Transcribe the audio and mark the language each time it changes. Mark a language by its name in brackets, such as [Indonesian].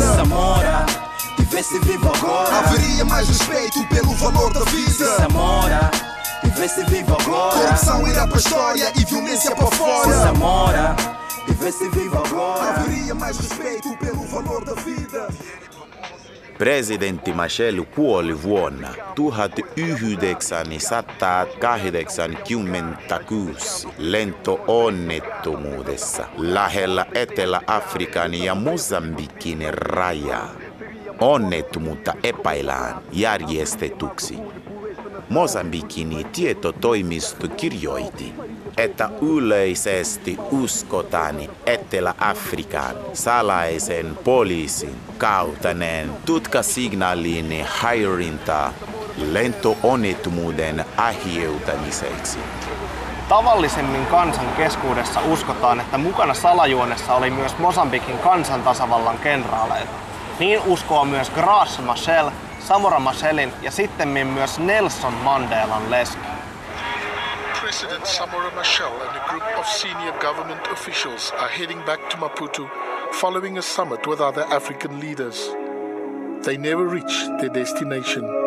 [Portuguese] Se Samora, tivesse viva agora. Haveria mais respeito pelo valor da vida. Se Samora, tivesse viva agora. Corrupção ira pra história e violência pra fora. Se Samora, tivesse viva agora. Haveria mais respeito pelo valor da vida. [Finnish] Presidentti Machelu kuoli vuonna 1986 lento-onnettomuudessa lähellä Etelä-Afrikan ja Mosambikin rajaa. Onnettomuutta epäillään järjestetyksi. Mosambikin tietotoimisto kirjoitti, että yleisesti uskotaan Etelä-Afrikan salaisen poliisin kautaneen tutkasignaalin häirintää lento-onnettomuuden aiheuttamiseksi. Tavallisemmin kansan keskuudessa uskotaan, että mukana salajuonessa oli myös Mosambikin kansantasavallan kenraaleita. Niin uskoo myös Graas Machel, Samora Machelin ja sittemmin myös Nelson Mandelan leski. [English] President Samora Machel and a group of senior government officials are heading back to Maputo following a summit with other African leaders. They never reach their destination.